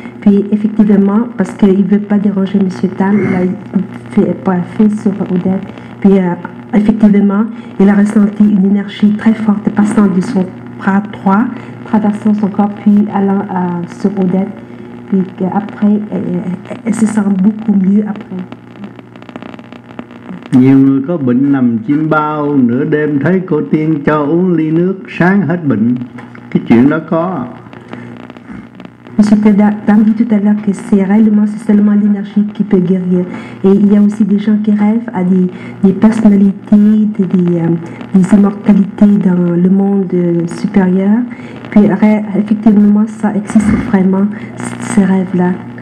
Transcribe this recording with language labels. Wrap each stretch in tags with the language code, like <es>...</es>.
<fr>Puis effectivement, parce qu'il ne veut pas déranger M. Tam, il a fait pas fait sur Odette. Puis effectivement, il a ressenti une énergie très forte passant de son bras droit, traversant son corps, puis allant sur Odette. Puis après, elle se sent beaucoup mieux après.</fr> <vi>Nhiều người có bệnh nằm chiêm bao, nửa đêm thấy cô tiên cho uống ly nước, sáng hết bệnh. Cái chuyện đó có.</vi> <fr>Monsieur Tam dit tout à l'heure que c'est réellement, c'est seulement l'énergie qui peut guérir. Et il y a aussi des gens qui rêvent à des personnalités, des immortalités dans le monde supérieur. Puis effectivement, ça existe vraiment, ces rêves-là.</fr>